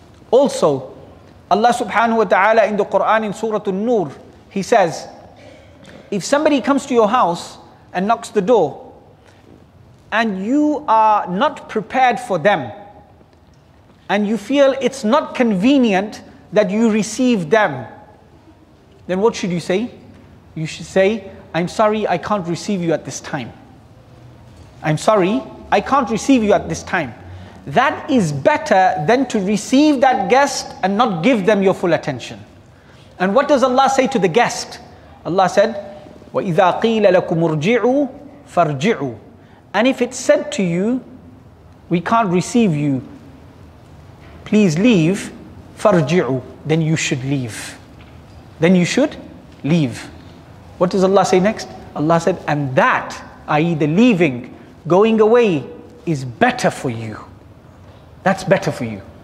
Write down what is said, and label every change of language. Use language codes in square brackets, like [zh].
[en] Also, Allah subhanahu wa ta'ala in the Quran in Surah An-Nur, he says, if somebody comes to your house and knocks the door and you are not prepared for them and you feel it's not convenient that you receive them, then what should you say? You should say, I'm sorry, I can't receive you at this time. I'm sorry, I can't receive you at this time. That is better than to receive that guest and not give them your full attention. And what does Allah say to the guest? Allah said, [ar] وَإِذَا قِيلَ لَكُمُ ارْجِعُوا فَارْجِعُوا. [en] And if it's said to you, we can't receive you, please leave, فَارْجِعُوا. Then you should leave. Then you should leave. What does Allah say next? Allah said, and that, i.e. the leaving, going away, is better for you. That's better for you.